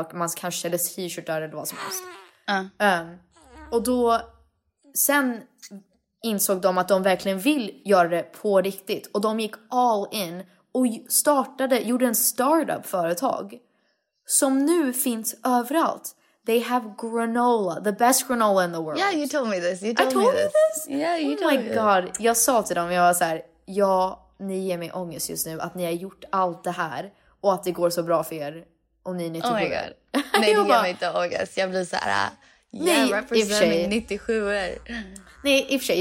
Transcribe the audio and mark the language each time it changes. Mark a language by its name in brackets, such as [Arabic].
[Swedish] Och man kanske säljer t-shirtar eller vad som helst. Ja. Och då, sen insåg de att de verkligen vill göra det på riktigt. Och de gick all in och gjorde en startup-företag som nu finns överallt. [English] They have granola, the best granola in the world. Yeah, you told me this. You told me this. Yeah, you told me this. Oh my god, [Swedish] jag sa till dem, jag var så här, ja, ni ger mig ångest just nu att ni har gjort allt det här och att det går så bra för er. och ni är 97. [English] Oh my god. [Swedish] Nej, jag bara, inte August. Jag blir så här, nej, i och för sig. 97 år. Nej, i och för sig.